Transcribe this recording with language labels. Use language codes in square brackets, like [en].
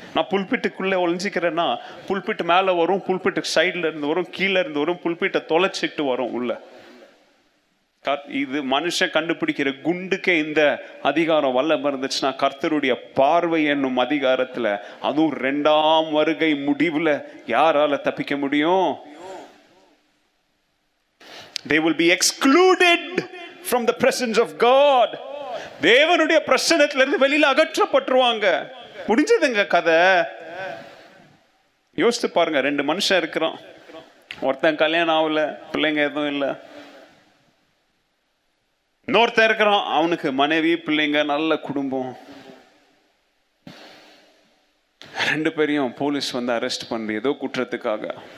[ta] நான் புல்பிட்டுக்குள்ள ஒளிஞ்சிக்கிறேன்னா புல்பிட் மேல வரும், புல்பிட் சைட்ல இருந்து வரும், கீழே இருந்து வரும், புல்பிட்டை தொலைச்சிட்டு வரும் உள்ள. இது மனுஷன் கண்டுபிடிக்கிற குண்டுக்கே இந்த அதிகாரம் வல்லம் இருந்துச்சுன்னா கர்த்தருடைய பார்வை என்னும் அதிகாரத்துல, அதுவும் இரண்டாம் வருகை முடிவுல யாரால தப்பிக்க முடியும்? [en] They will be excluded from the presence of God. [ta] தேவனுடைய பிரசன்னத்தில இருந்து வெளியில அகற்றப்பட்டுருவாங்க. புரிஞ்சதுங்க கதை? யோசித்து பாருங்க, ரெண்டு மனுஷன் இருக்கிறான், ஒருத்தன் கல்யாணம் ஆகல, பிள்ளைங்க எதுவும் இல்லை, இன்னொருத்த இருக்கிறான், அவனுக்கு மனைவி பிள்ளைங்க நல்ல குடும்பம், ரெண்டு பேரையும் போலீஸ் வந்து அரெஸ்ட் பண்ணு ஏதோ குற்றத்துக்காக.